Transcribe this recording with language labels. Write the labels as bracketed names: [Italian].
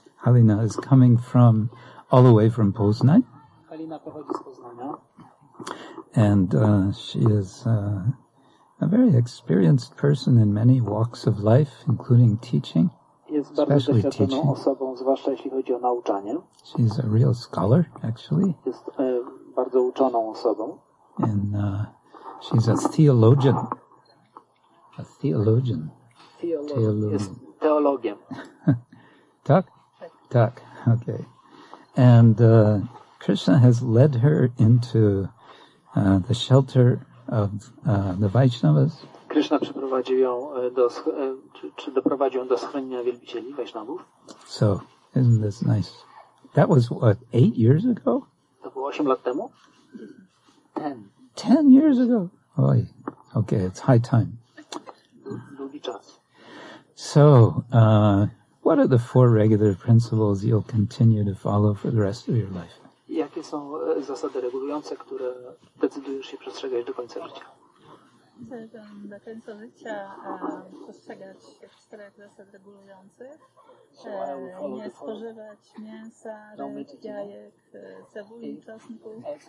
[English] Halina is coming from all the way from Poznań. [Polish] Halina pochodzi z Poznania. [English] And she is a very experienced person in many walks of life, including teaching. [Polish] Jest especially bardzo doświadczoną osobą, zwłaszcza jeśli chodzi o nauczanie. [English] She's a real scholar, actually. [Polish] Jest bardzo uczoną osobą. [English] And she's a theologian. A theologian. [Polish] Theologian. Jest teologiem. Tak? Tak. Okay. [English] And Krishna has led her into the shelter of the Vaishnavas. [Polish] Krishna przyprowadził ją do czy doprowadził do schronienia wielbicieli Vaishnavów. [English] So, isn't this nice? That was what, 8 years ago? [Polish] To było 8 lat temu? [English] 10 years ago. Oj. Okay, it's high time. [Polish] Długi czas. [English] So, what are the four regular principles you'll continue to follow for the rest of your life? [Polish] Jakie są zasady regulujące, które decydujesz się przestrzegać do końca życia? Do końca życia przestrzegać czterech zasad regulujących. Nie spożywać mięsa, ryb, jajek, cebuli, czosnku.